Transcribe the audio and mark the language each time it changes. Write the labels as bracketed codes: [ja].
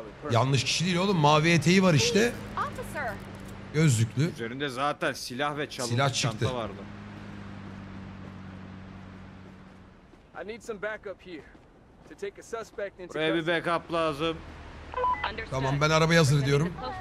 [tr] Yanlış kişi değil oğlum, mavi eteği var işte. Gözlüklü. Üzerinde zaten silah ve çalım silah çıktı. Çanta vardı. [en] I need some backup here to take a suspect into custody. [tr] Buraya bir backup lazım. Tamam, ben arabaya hazır diyorum.